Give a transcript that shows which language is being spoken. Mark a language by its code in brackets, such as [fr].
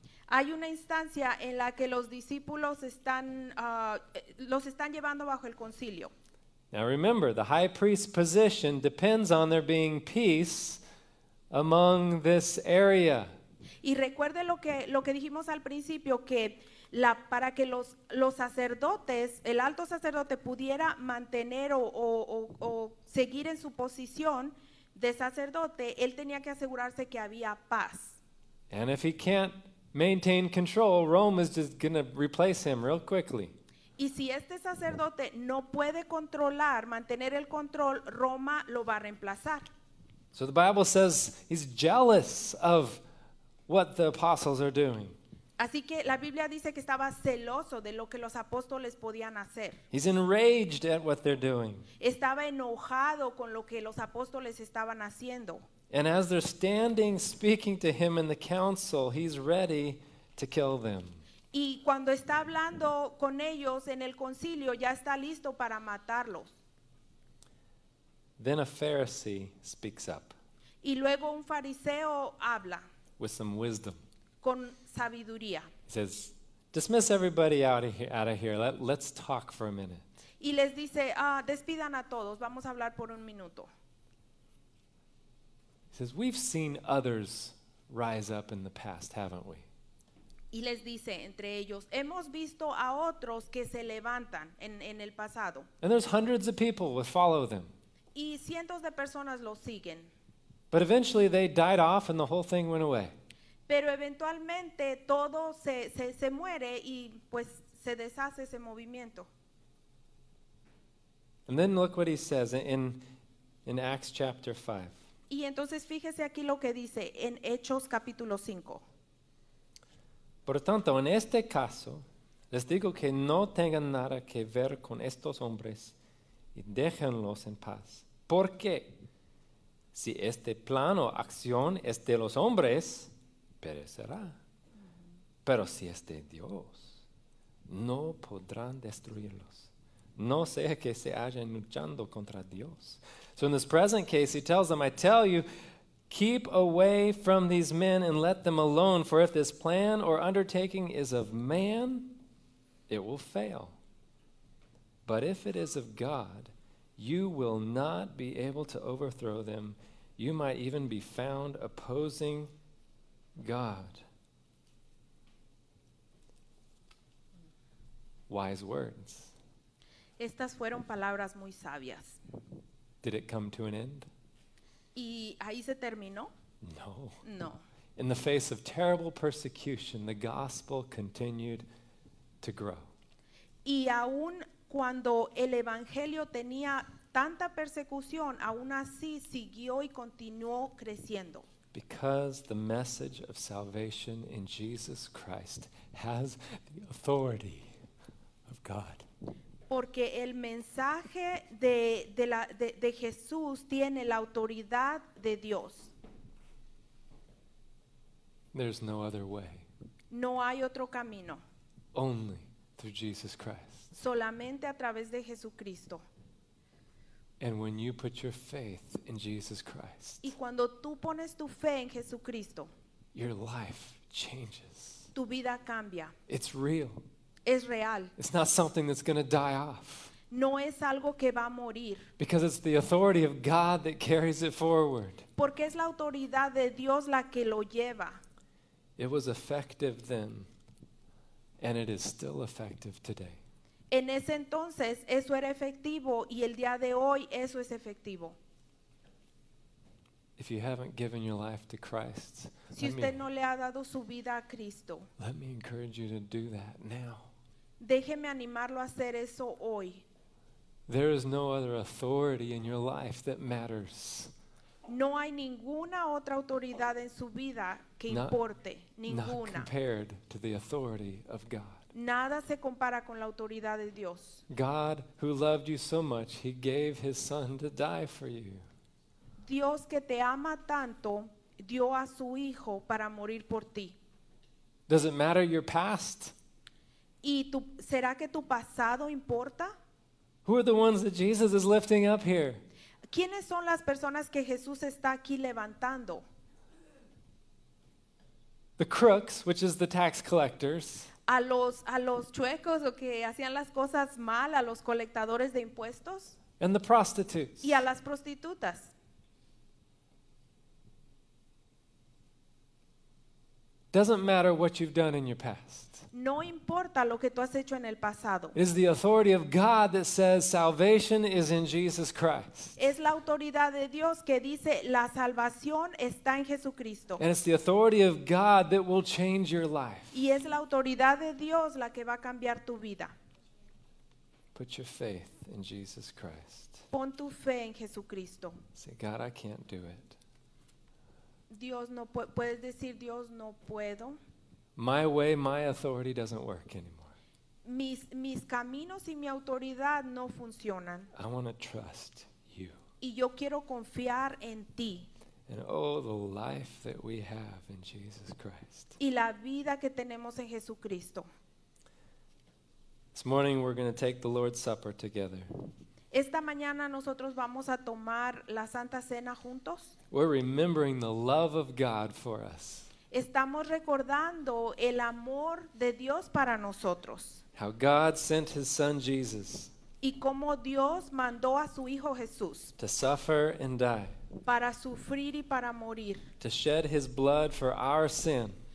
[es] Hay una instancia en la que los discípulos están los están llevando bajo el concilio. [en] Now remember, the high priest's position depends on there being peace among this area. [es] Y recuerde lo que dijimos al principio, que para que los sacerdotes, el alto sacerdote pudiera mantener o seguir en su posición de sacerdote, él tenía que asegurarse que había paz. [en] And if he can't maintain control, Rome is just going to replace him real quickly. [es] Y si este sacerdote no puede controlar, mantener el control, Roma lo va a reemplazar. [en] So the Bible says he's jealous of what the apostles are doing. [es] Así que la Biblia dice que estaba celoso de lo que los apóstoles podían hacer. [en] He's enraged at what they're doing. [es] Estaba enojado con lo que los apóstoles estaban haciendo. [en] And as they're standing speaking to him in the council, he's ready to kill them. [es] Y cuando está hablando con ellos en el concilio, ya está listo para matarlos. [en] Then a Pharisee speaks up. [es] Y luego un fariseo habla. [en] With some wisdom. [es] Con sabiduría. [en] He says, dismiss everybody out of here. Let's talk for a minute. [es] Y les dice, despidan a todos. Vamos a hablar por un minuto. [en] He says, we've seen others rise up in the past, haven't we? [es] Y les dice, entre ellos, hemos visto a otros que se levantan en el pasado. [en] And there's hundreds of people who follow them. [es] Y cientos de personas los siguen. [en] But eventually they died off and the whole thing went away. [es] Pero eventualmente todo se muere y pues se deshace ese movimiento. [en] And then look what he says in Acts chapter 5. [es] Y entonces fíjese aquí lo que dice en Hechos capítulo 5. Por tanto, en este caso, les digo que no tengan nada que ver con estos hombres y déjenlos en paz. Porque si este plan o acción es de los hombres, perecerá. Pero si es de Dios, no podrán destruirlos. No sea que se hayan luchando contra Dios. [en] So in this present case, he tells them, I tell you, keep away from these men and let them alone, for if this plan or undertaking is of man, it will fail. But if it is of God, you will not be able to overthrow them. You might even be found opposing God. Wise words. [es] Estas fueron palabras muy sabias. [en] Did it come to an end? [es] ¿Y ahí se terminó? [en] No. [es] No. [en] In the face of terrible persecution, the gospel continued to grow. [es] Y aún cuando el evangelio tenía tanta persecución, aún así siguió y continuó creciendo. [en] Because the message of salvation in Jesus Christ has the authority of God. [es] Porque el mensaje de Jesús tiene la autoridad de Dios. [en] There's no other way. [es] No hay otro camino. [en] Only through Jesus Christ. [es] Solamente a través de Jesucristo. [en] And when you put your faith in Jesus Christ, [es] y cuando tú pones tu fe en Jesucristo, [en] your life changes. [es] Tu vida cambia. [en] It's real. [es] Es real. [en] It's not something that's going to die off. [es] No es algo que va a morir. [en] Because it's the authority of God that carries it forward. [es] Porque es la autoridad de Dios la que lo lleva. [en] It was effective then, and it is still effective today. [es] En ese entonces eso era efectivo y el día de hoy eso es efectivo. [en] If you haven't given your life to Christ, [es] si usted no le ha dado su vida a Cristo, [en] let me encourage you to do that now. [es] Déjeme animarlo a hacer eso hoy. [en] There is no other authority in your life that matters. [es] No hay ninguna otra autoridad en su vida que importe, ninguna. [en] Not compared to the authority of God. [es] Nada se compara con la autoridad de Dios. [en] God, who loved you so much, he gave his son to die for you. [es] Dios que te ama tanto, dio a su hijo para morir por ti. [en] Does it matter your past? [es] ¿Y tu, será que tu pasado importa? [en] Who are the ones that Jesus is lifting up here? [es] ¿Quiénes son las personas que Jesús está aquí levantando? [en] The crooks, which is the tax collectors. [es] A los chuecos, o que hacían las cosas mal, a los colectadores de impuestos. [en] And the prostitutes. [es] Y a las prostitutas. [en] Doesn't matter what you've done in your past. [es] No importa lo que tú has hecho en el pasado. [en] It's the authority of God that says salvation is in Jesus Christ. [es] Es la autoridad de Dios que dice la salvación está en Jesucristo. [en] And it's the authority of God that will change your life. [es] Y es la autoridad de Dios la que va a cambiar tu vida. [en] Put your faith in Jesus Christ. [es] Pon tu fe en Jesucristo. [en] Say, God, I can't do it. [es] Dios no puedes decir Dios no puedo. [en] My way, my authority doesn't work anymore. [es] Mis caminos y mi autoridad no funcionan. [en] I want to trust you. [es] Y yo quiero confiar en ti. [en] And oh, the life that we have in Jesus Christ. [es] Y la vida que tenemos en Jesucristo. [en] This morning we're going to take the Lord's Supper together. [es] Esta mañana nosotros vamos a tomar la Santa Cena juntos. [en] We're remembering the love of God for us. [es] Estamos recordando el amor de Dios para nosotros. [en] How God sent his son Jesus. [es] Y cómo Dios mandó a su hijo Jesús. [en] To suffer and die. [es] Para sufrir y para morir. [en] To shed his blood for our sin.